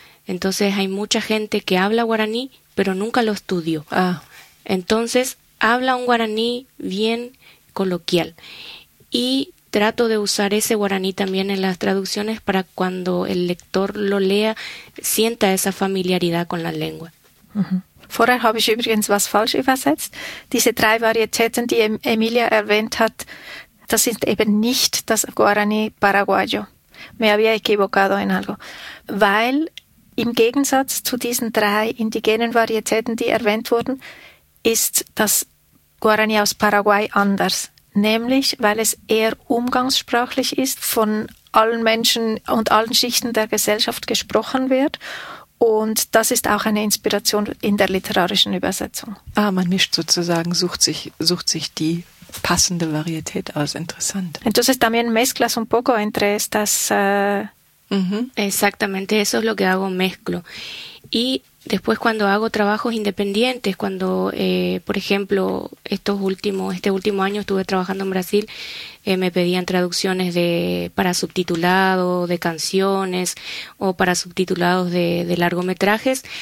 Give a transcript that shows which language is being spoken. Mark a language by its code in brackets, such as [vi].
[es] Entonces hay mucha gente que habla guaraní, pero nunca lo estudió. Entonces habla un guaraní bien coloquial. Y trato de usar ese guaraní también en las traducciones para cuando el lector lo lea, sienta esa familiaridad con la lengua. [de] Vorher habe ich übrigens was falsch übersetzt. Diese 3 Varietäten, die Emilia erwähnt hat, das ist eben nicht das Guaraní paraguayo. [es] Me había equivocado en algo. [de] Weil im Gegensatz zu diesen 3 indigenen Varietäten, die erwähnt wurden, ist das Guarani aus Paraguay anders. Nämlich, weil es eher umgangssprachlich ist, von allen Menschen und allen Schichten der Gesellschaft gesprochen wird. Und das ist auch eine Inspiration in der literarischen Übersetzung. Ah, man mischt sozusagen, sucht sich die passende Varietät aus. Interessant. [es] Entonces también mezclas un poco entre estas... Exactamente, eso es lo que hago, mezclo. Y Después cuando hago trabajos independientes, cuando, por ejemplo, este último año estuve trabajando en Brasil, me pedían traducciones para subtitulado de canciones o para subtitulados de largometrajes.